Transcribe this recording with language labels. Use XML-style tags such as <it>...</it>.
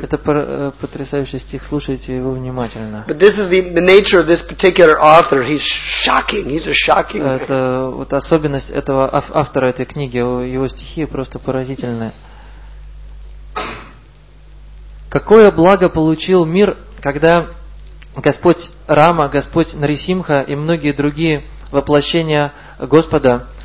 <ru>Это потрясающий стих, слушайте его внимательно.</ru> <en>But this is the nature of this particular author. He's shocking. He's a shocking.</en> <ru>Это вот особенность этого автора этой книги. Его стихи просто поразительные. Какое благо получил мир, когда Господь Рама, Господь Нарисимха и многие другие воплощения Господа</ru>